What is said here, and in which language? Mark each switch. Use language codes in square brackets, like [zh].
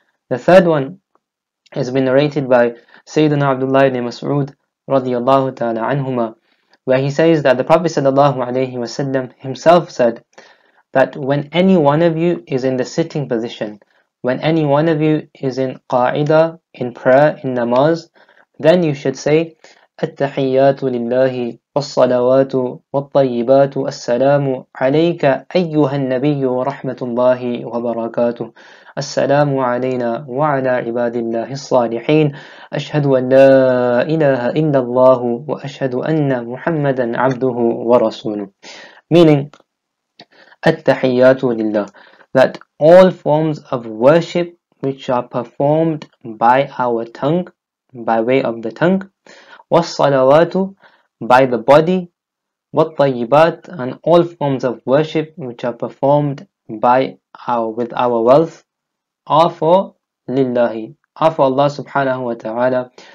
[en] The third one has been narrated by Sayyidina Abdullah ibn Mas'ud radiyallahu ta'ala anhuma, where he says that the Prophet sallallahu alayhi wa sallam himself said that when any one of you is in the sitting position, when any one of you is in qa'ida, in prayer, in namaz, then you should say, [ar] At-tahiyyatu lillahi والصلوات والطيبات السلام عليك أيها النبي ورحمة الله وبركاته السلام علينا وعلى عباد الله الصالحين أشهد أن لا إله إلا الله وأشهد أن محمدا عبده ورسوله. [en] Meaning [ar] التحيات لله, [en] that all forms of worship which are performed by our tongue, by way of the tongue, [ar] والصلوات [en] by the body, [ar] والطيبات [en] and all forms of worship which are performed by our with our wealth, are for [ar] لله, [en] are for Allah subhanahu wa ta'ala.